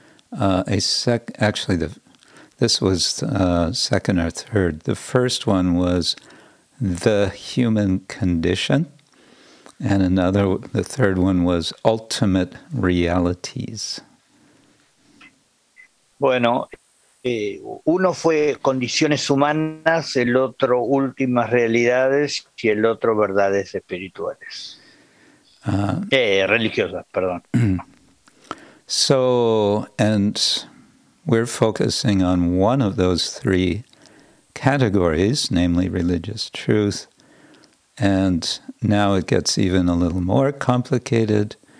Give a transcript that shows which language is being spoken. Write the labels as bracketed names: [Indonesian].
[English] Second or third. The first one was the human condition, and the third one was ultimate realities. [Spanish] Bueno. Uno fue condiciones humanas, el otro últimas realidades y el otro verdades espirituales. Religiosas, perdón. [English] So, and we're focusing on one of those three categories, namely religious truth. And now it gets even a little more complicated.